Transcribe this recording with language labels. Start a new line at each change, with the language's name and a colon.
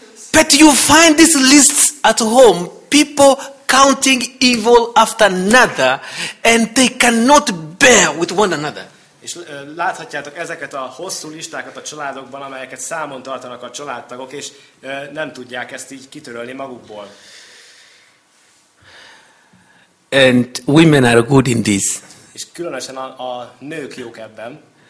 English: But you find these lists at home, people counting evil after another, and they cannot bear with one another.
Hungarian: És láthatjátok ezeket a hosszú listákat a családokban, amelyeket számon tartanak a családtagok, és nem tudják ezt így kitörölni magukból.
English: And women are good in this.
Hungarian: És különösen a nők jók ebben.